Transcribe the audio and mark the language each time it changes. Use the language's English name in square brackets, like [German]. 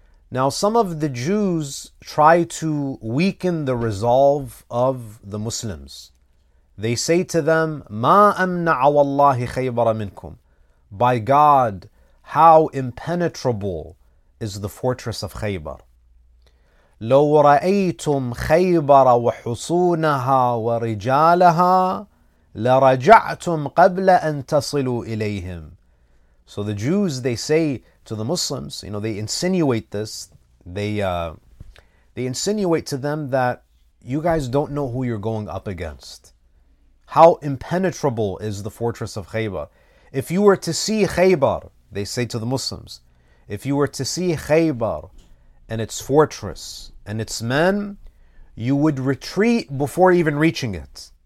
[English] Now, some of the Jews try to weaken the resolve of the Muslims. They say to them, [Arabic] "Ma amna'a wallahi Khaybar minkum." [English] By God, how impenetrable is the fortress of Khaybar. [Arabic] لو رأيتم خيبر وحصونها ورجالها لرجعتم قبل أن تصلوا إليهم. [English] So the Jews, they say to the Muslims, you know, they insinuate this, they insinuate to them that you guys don't know who you're going up against. How impenetrable is the fortress of Khaybar. If you were to see Khaybar, they say to the Muslims, if you were to see Khaybar and its fortress and its men, you would retreat before even reaching it.